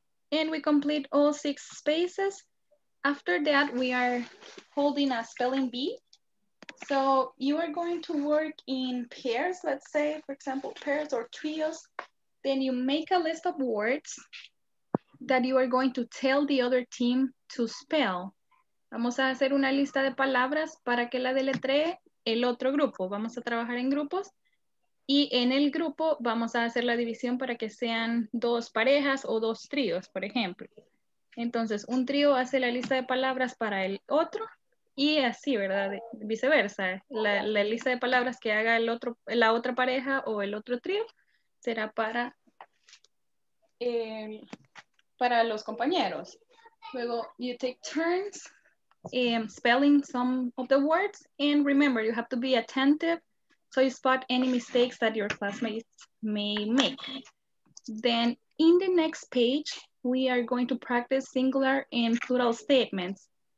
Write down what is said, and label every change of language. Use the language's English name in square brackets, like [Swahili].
[English] And we complete all 6 spaces. After that, we are holding a spelling bee. So you are going to work in pairs, let's say, for example, pairs or trios. Then you make a list of words that you are going to tell the other team to spell. [Spanish] Vamos a hacer una lista de palabras para que la deletree el otro grupo. Vamos a trabajar en grupos Y en el grupo vamos a hacer la división para que sean dos parejas o dos tríos, por ejemplo. Entonces, un trío hace la lista de palabras para el otro y así, ¿verdad? Viceversa. La lista de palabras que haga el otro, la otra pareja o el otro trío será para los compañeros. [English] Luego, you take turns spelling some of the words. And remember, you have to be attentive so you spot any mistakes that your classmates may make. Then in the next page, we are going to practice singular and plural statements.